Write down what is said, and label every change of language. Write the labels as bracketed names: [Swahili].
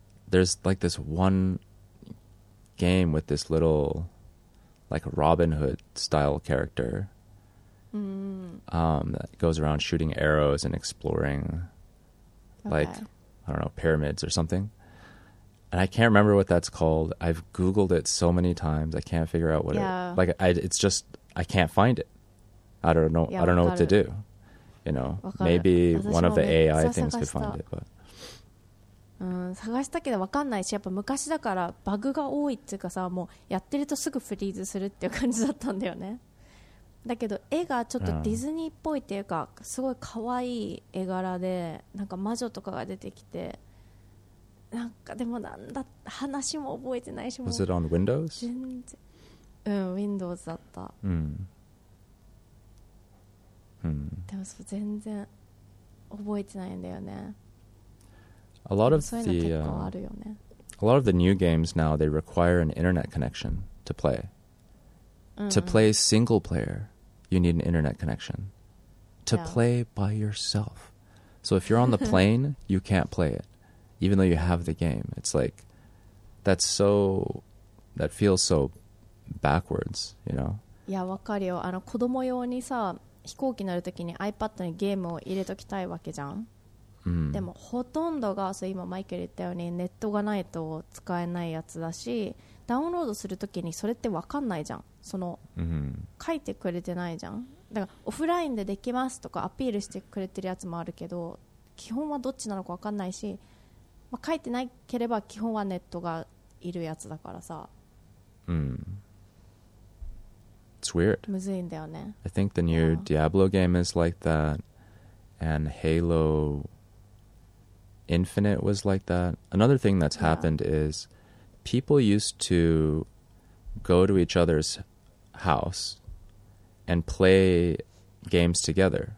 [English] there's like this one game with this little like Robin Hood style character that goes around shooting arrows and exploring like, I don't know, pyramids or something. And I can't remember what that's called. I've Googled it so many times. I can't figure out what it, like, it's just, I can't find it. I don't know. Yeah, I don't know what to do. You know, maybe one of the AI things could find it, but. [Japanese] うん、探したけど分かんないし、やっぱ昔だからバグが多いっていうかさ、もうやってるとすぐフリーズするっていう感じだったんだよね。だけど絵がちょっとディズニーっぽいっていうか、すごい可愛い絵柄で、なんか魔女とかが出てきて、なんかでもなんだ話も覚えてないし、も [English] う Was it on Windows? [Japanese] 全然、うん、Windows だった。でもそう全然覚えてないんだよね。 [English] A lot of the a lot of the new games now, they require an internet connection to play. To play single player, you need an internet connection. To play by yourself. So if you're on the plane, you can't play it, even though you have the game. It's like, that's so, that feels so backwards, you know? [Japanese] Yeah, わかるよ。あの子供用にさ、飛行機乗るときに iPad にゲームを入れときたいわけじゃん。でもほとんどがそう今マイケル言ったようにネットがないと使えないやつだし、ダウンロードするときにそれって分かんないじゃん、その書いてくれてないじゃん。だからオフラインでできますとかアピールしてくれてるやつもあるけど、基本はどっちなのか分かんないし、まあ、書いてないければ基本はネットがいるやつだからさ、 [English] It's weird. [Japanese] むずいんだよね。 [English] I think the new Diablo game is like that, and HaloInfinite was like that. Another thing that's happened is people used to go to each other's house and play games together.